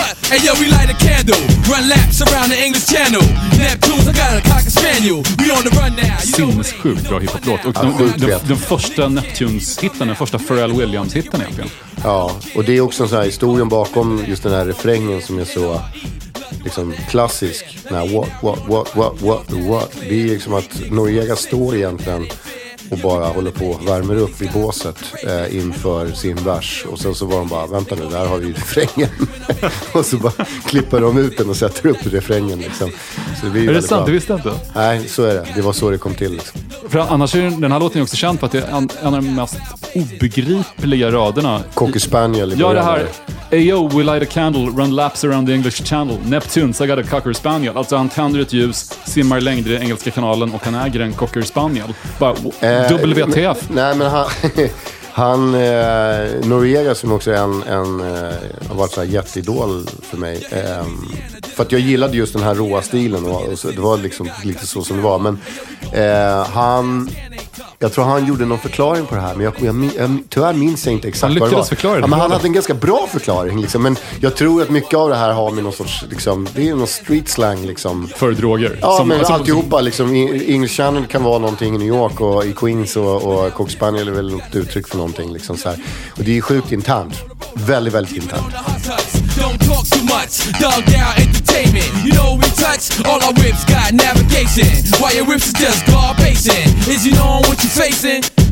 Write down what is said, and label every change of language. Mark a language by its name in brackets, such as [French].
[English] Hey yo, we light a candle, run laps around the English Channel. Neptunes, I got a cocker spaniel. We on the run now. [Swedish] Sinnessjukt bra hiphop-låt. Och ja, den första Neptunes-hitten, den första Pharrell Williams-hitten egentligen. Ja, och det är också en sån här historien bakom just den här refrängen som är så liksom klassisk. Nej, what? Det är liksom att Noriega står egentligen och bara håller på och värmer upp i båset inför sin vers. Och sen så var de bara, vänta nu, där har vi ju refrängen. Och så bara klipper de ut den och sätter upp refrängen liksom. Så det är det sant? Bra. Du visste inte? Nej, så är det. Det var så det kom till liksom. För annars är den här låten också känd för att det är en av de mest obegripliga raderna. Cocky Spaniel i början. Ja, det här. [English] Ayo, we light a candle, run laps around the English Channel. Neptunes, I got a Cocker Spaniel. [Swedish] Alltså han tänder ett ljus, simmar längre i den engelska kanalen och han äger en Cocker Spaniel. Bara, WTF. Men han Noriega, som också är en har varit så här jätteidol för mig. För att jag gillade just den här råa stilen. Och så, det var liksom lite så som det var. Men han... Jag tror han gjorde någon förklaring på det här. Men tyvärr minns jag inte exakt vad det var. Han lyckades förklara det. Ja, men han hade en ganska bra förklaring. Liksom, men jag tror att mycket av det här har med någon sorts... Liksom, det är någon street slang. Liksom. För droger. Ja, som, men alltså, alltihopa. Liksom, English Channel kan vara någonting i New York. Och i Queens och Cox Spaniel är väl något uttryck för någonting. Liksom, så här. Och det är sjukt internt. Väldigt, väldigt internt. [English] Don't talk too much, dumb down entertainment. You know we touch, all our whips got navigation. While your whips is just guard pacing. Is you know what you're facing?